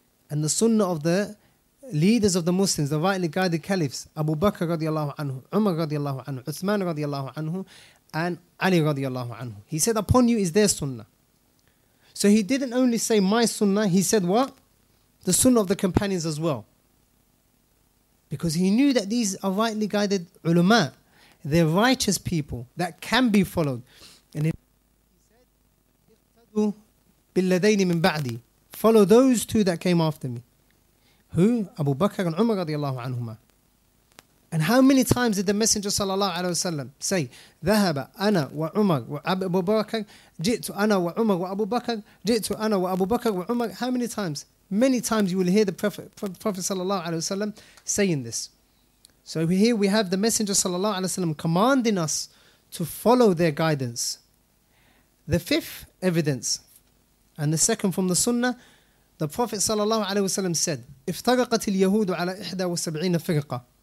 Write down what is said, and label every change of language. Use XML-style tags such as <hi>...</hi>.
<en>And the sunnah of the leaders of the Muslims, the rightly guided caliphs, Abu Bakr radiallahu anhu, Umar radiallahu anhu, Uthman radiallahu anhu, and Ali radiallahu anhu. He said, upon you is their sunnah. So he didn't only say my sunnah, he said what? The sunnah of the companions as well. Because he knew that these are rightly guided ulama, they're righteous people that can be followed. And he said,</en> <ar>اقتدوا بالذين من بعدي.</ar> <en>Follow those two that came after me. Who? Abu Bakr and Umar radiallahu anhumah. And how many times did the Messenger sallallahu alayhi wa sallam say,</en> <ar>ذَهَبَ أَنَا وَعُمَرْ وَأَبُ بَكَرْ جِئْتُ أَنَا وَعُمَرْ وَأَبُ بَكَرْ جِئْتُ أَنَا وَأَبُ بَكَرْ وَعُمَرْ.</ar> <en>How many times? Many times you will hear the Prophet sallallahu alayhi wa sallam saying this. So here we have the Messenger sallallahu alayhi wa sallam commanding us to follow their guidance. The fifth evidence, and the second from the Sunnah, the Prophet sallallahu alaihi wasallam said,</en> <ar>"Iftaraqat al-Yahud 'ala 71 firqa."</ar>